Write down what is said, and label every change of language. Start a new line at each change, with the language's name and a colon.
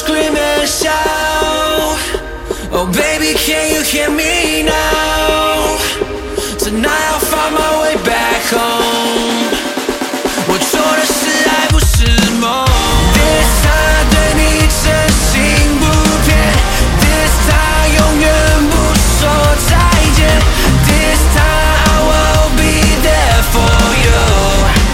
English: Oh baby, can you hear me now? Tonight I'll find my way back home.
Chinese: 我做的是爱不是梦。
English: This time
Chinese: 对你真心不变。
English: This time
Chinese: 永远不说再见。
English: This time I will be there for you.